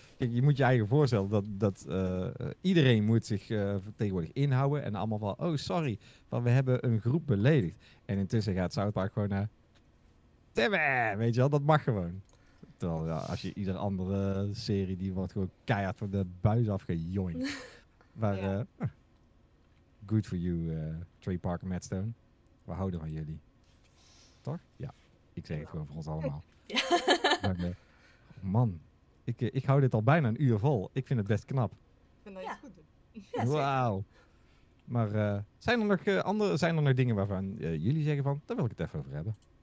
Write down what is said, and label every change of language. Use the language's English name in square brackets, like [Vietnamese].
[Dutch] Kijk, je moet je eigen voorstellen dat iedereen moet zich tegenwoordig inhouden. En allemaal van, oh sorry, want we hebben een groep beledigd. En intussen gaat South Park gewoon naar... Weet je wel, dat mag gewoon. Terwijl, ja, als je ieder andere serie, die wordt gewoon keihard van de buis afgejoind. Maar, ja. [English] Good for you, Trey Parker, Matt Stone. [Dutch] We houden van jullie. Toch? Ja. Ik zeg het gewoon voor ons allemaal. Ja. Maar, man, ik hou dit al bijna een uur vol. Ik vind het best knap. Ik vind dat je goed doet. Wauw. Maar zijn er nog dingen waarvan jullie zeggen van, daar wil ik het even over hebben.